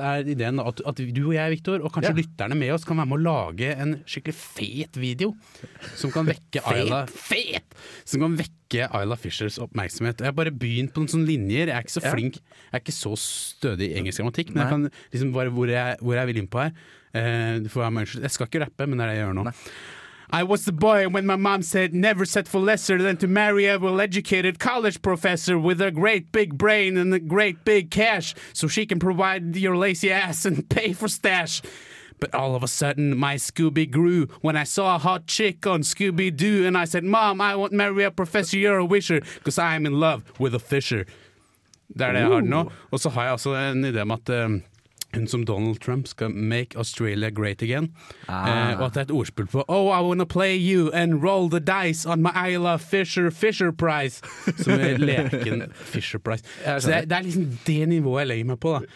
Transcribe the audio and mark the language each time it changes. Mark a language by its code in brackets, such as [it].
[no] Er ideen at du og jeg, Victor, og kanskje lytterne med oss, kan være med å lage en skikkelig fet video som kan vekke Isla fet! Som kan vekke Isla Fishers oppmerksomhet. Jeg har bare begynt på noen sånne linjer. Jeg er ikke så flink. Jeg er ikke så stødig i engelsk grammatikk. Men jeg kan liksom bare hvor jeg vil inn på her. Du får være med. Jeg skal ikke rappe, men det er det jeg gjør nå. [en] I was the boy when my mom said never set for lesser than to marry a well-educated college professor with a great big brain and a great big cash so she can provide your lazy ass and pay for stash. But all of a sudden, my Scooby grew when I saw a hot chick on Scooby-Doo and I said, Mom, I won't marry a professor, you're a wisher, because I'm in love with a fisher. [no] Det er det jeg har nå. Og så har jeg også en idé om at... Hun som Donald Trump skal [en] make Australia great again. [no] Og at det er et ordspill på [en] Oh, I wanna play you and roll the dice on my Isla Fisher Prize. [no] Som er leken Fisher Prize. Så det er liksom det nivået jeg legger meg på da.